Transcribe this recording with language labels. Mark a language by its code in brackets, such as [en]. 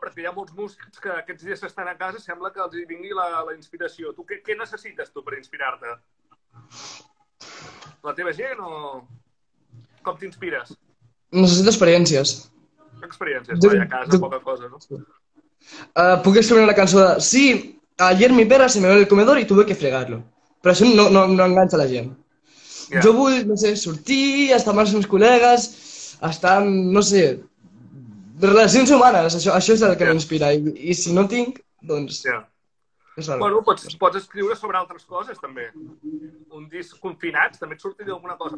[ca] Perquè hi ha molts músics que aquests dies estan a casa i sembla que els hi vingui la inspiració. Tu què necessites tu per inspirar-te? La teva gent o... Com t'inspires? Necessito experiències. Experiències, vaja, a casa, poca cosa, no? Puc escriure una cançó de... [es] Sí, ayer mi perra se me ve el comedor y tuve que fregarlo. [ca] Però això no enganxa la gent. Yeah. Jo vull, no sé, sortir, estar amb els meus col·legues, estar amb, no sé, relacions humanes. Això és el que m'inspira. I si no tinc, doncs... [en] Yeah. [ca] Bueno, pots escriure sobre altres coses, també. Un disc confinats, també et sortiria alguna cosa.